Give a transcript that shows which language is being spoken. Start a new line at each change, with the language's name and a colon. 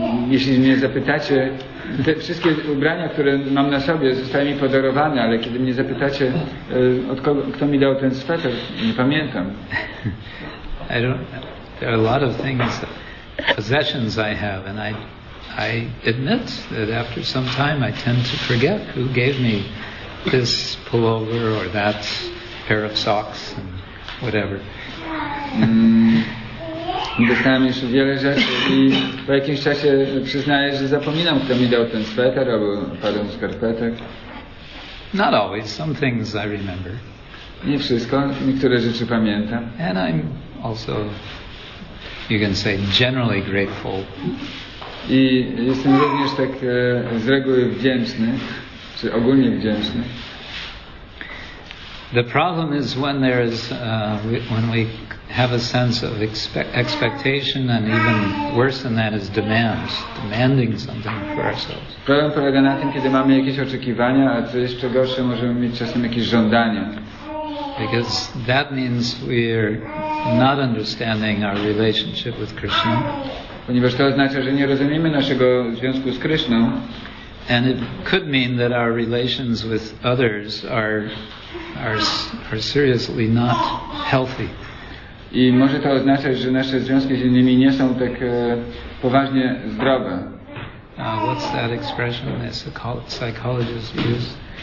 Polish: Jeśli mnie zapytacie, te wszystkie ubrania, które mam na sobie, zostały mi podarowane, ale kiedy mnie zapytacie, kto mi dał ten sweter, nie pamiętam.
English: I don't, there are a lot of things, possessions I have, and I admit that after some time I tend to forget who gave me this pullover or that pair of socks and whatever.
Polish: Dostałem jeszcze wiele rzeczy i po jakimś czasie przyznaję, że zapominam, kto mi dał ten sweter albo parę skarpetek.
English: Not always, some things I remember.
Polish: Nie wszystko, niektóre rzeczy pamiętam.
English: And I'm also, you can say, generally grateful.
Polish: I jestem również tak z reguły wdzięczny, czy ogólnie wdzięczny.
English: The problem is when there is, when we have a sense of expectation, and even worse than that is demands, demanding something for ourselves.
Polish: Problem polega na tym, kiedy mamy jakieś oczekiwania, a co jeszcze gorsze, możemy mieć czasem jakieś żądania.
English: Because that means we are not understanding our relationship with Krishna.
Polish: Ponieważ to oznacza, że nie rozumiemy naszego związku z Krishną.
English: And it could mean that our relations with others are seriously not healthy.
Polish: I może to oznaczać, że nasze związki z innymi nie są tak poważnie zdrowe.
English: What's that expression that psychologists use?